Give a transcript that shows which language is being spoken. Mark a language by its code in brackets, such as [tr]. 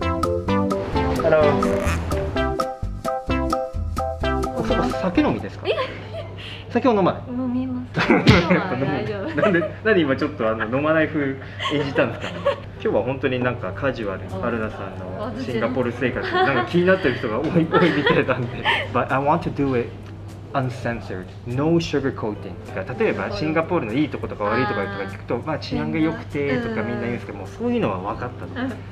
[ja] ハロー。そこ酒飲みですか？酒を飲まない？飲みます。今日は大丈夫。なんで今ちょっとあの飲まない風演じたんですか？今日は本当になんかカジュアル、アルナさんのシンガポール生活なんか気になってる人が多いみたいなんで。 [en] But I want to do itUncensored, no sugar coating. [ja] とか、例えばシンガポールのいいとことか悪いとか聞くと、まあ治安が良くてとかみんな言うんですけど、もうそういうのは分かったの。